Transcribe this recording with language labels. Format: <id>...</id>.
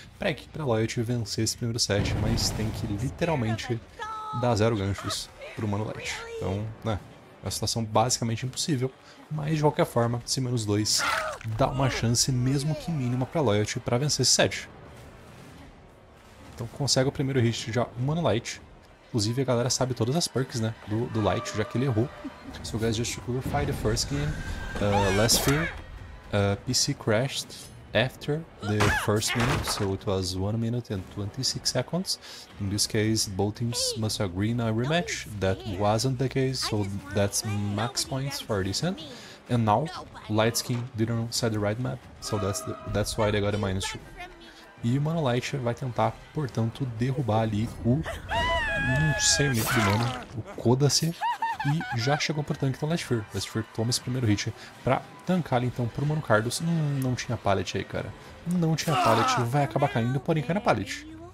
<pt>Pra equipe, pra Loyalty vencer esse primeiro set, mas tem que literalmente dar 0 ganchos pro Moonlight. Então, né? É uma situação basicamente impossível, mas de qualquer forma, esse menos 2 dá uma chance, mesmo que mínima, pra Loyalty pra vencer esse set. Então consegue o primeiro hit já, o Mano Light. Inclusive, a galera sabe todas as perks, né? Do Light, já que ele errou.</pt> <en>So, guys, just to clarify, the first game, Last Fear, PC crashed after the first minute, so it was 1 minute and 26 seconds. In this case, both teams must agree in a rematch. That wasn't the case, so that's max points for Decent. And now, Light Skin didn't set the right map, so that's why they got a minus 2.</en> <pt>E o Mano Light vai tentar, portanto, derrubar ali o, não sei o nick do mano, o Kodace. E já chegou pro tanque, então Last Fear. Last Fear toma esse primeiro hit pra tankar ali então pro Mano Cardos. Não tinha pallet aí, cara. Não tinha pallet, vai acabar caindo, porém cai na pallet.</pt>